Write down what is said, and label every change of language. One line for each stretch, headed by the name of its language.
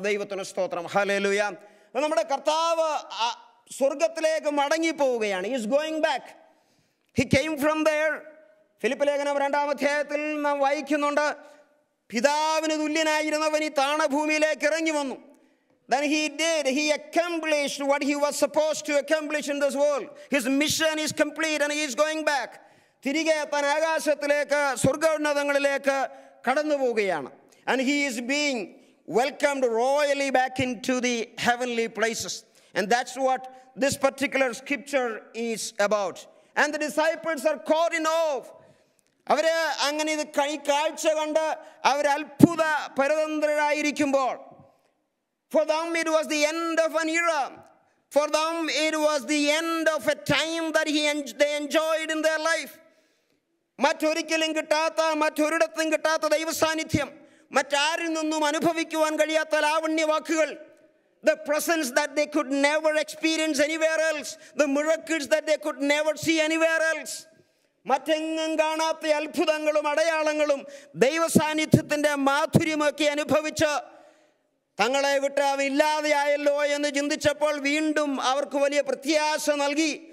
Malayalam: ദൈവത്തിന് സ്തോത്രം, ഹല്ലേലൂയ. അപ്പോൾ നമ്മുടെ കർത്താവ് സ്വർഗത്തിലേക്ക് മടങ്ങിപ്പോവുകയാണ്.
English: He is going back, he came from there.
Malayalam: Philip ലേഖനം 2-ാം അധ്യായത്തിൽ നാം വായിക്കുന്നുണ്ട്, പിതാവിന് തുല്യനായിരുന്നവൻ ഈ താണഭൂമിയിലേക്ക് ഇറങ്ങി വന്നു.
English: Then he did, he accomplished what he was supposed to accomplish in this world. His mission is complete and he is going back.
Malayalam: തിരികെ താൻ ആകാശത്തിലേക്ക് സ്വർഗോന്നതങ്ങളിലേക്ക് കടന്നു പോവുകയാണ്.
English: And he is being welcomed royally back into the heavenly places. And that's what this particular scripture is about. And the disciples are caught in awe.
Malayalam: അവർ അങ്ങനെ ഇത് കാഴ്ച കണ്ട് അവർ അത്ഭുത പരതന്ത്രരായിരിക്കുമ്പോൾ,
English: for them it was the end of an era, for them it was the end of a time that they enjoyed in their life.
Malayalam: മറ്റൊരിക്കലും കിട്ടാത്ത, മറ്റൊരിടത്തും കിട്ടാത്ത ദൈവസാന്നിധ്യം, മറ്റാരിൽ നിന്നും അനുഭവിക്കുവാൻ കഴിയാത്ത ലാവണ്യ വാക്കുകൾ,
English: the presence that they could never experience anywhere else,
Malayalam: the miracles that they could never see anywhere else, മറ്റെങ്ങും കാണാത്ത അത്ഭുതങ്ങളും അടയാളങ്ങളും ദൈവസാന്നിധ്യത്തിന്റെ മാധുര്യമൊക്കെ അനുഭവിച്ച് തങ്ങളെ വിട്ട് അവ ഇല്ലാതെയായല്ലോ എന്ന് ചിന്തിച്ചപ്പോൾ വീണ്ടും അവർക്ക് വലിയ പ്രത്യാശ നൽകി.